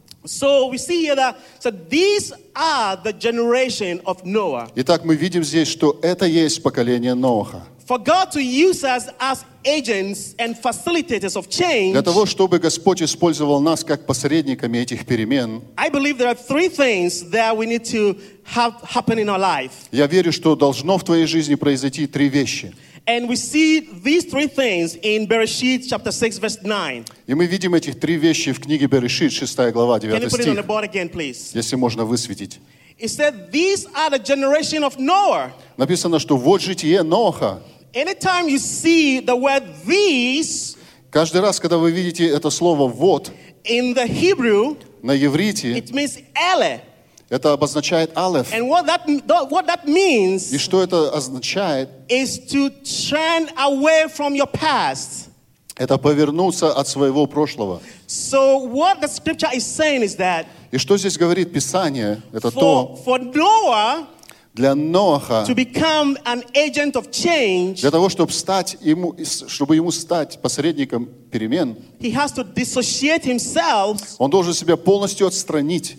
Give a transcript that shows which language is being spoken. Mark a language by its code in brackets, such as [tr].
[en] So we see here that so these are the generation of Noah. [ru] Итак, мы видим здесь, что это есть поколение Ноаха. [en] For God to use us as agents and facilitators of change. [ru] Для того, чтобы Господь использовал нас как посредниками этих перемен. [en] I believe there are three things that we need to have happen in our life. [ru] Я верю, что должно в твоей жизни произойти три вещи. [en] And we see these three things in Bereshit chapter 6 verse 9. [ru] И мы видим эти три вещи в книге Берешит, 6 глава, 9 стих. [en] Can you put it on the board again, please? [ru] Если можно высветить. [en] It said these are the generation of Noah. [ru] Написано, что вот житие Ноаха. [en] Anytime you see the word these, [ru] каждый раз, когда вы видите это слово вот, [en] in the Hebrew, [ru] на иврите, [en] it means ele. [ru] Это обозначает алеф. [en] And what that means, [ru] и что это означает, [en] is to turn away from your past. [ru] Это повернуться от своего прошлого. [en] So what the scripture is saying is that, [ru] и что здесь говорит Писание, это то, [en] for Noah, [ru] для Ноаха, [en] to become an agent of change, [ru] для того, чтобы ему стать посредником перемен, [en] he has to dissociate himself, [ru] он должен себя полностью отстранить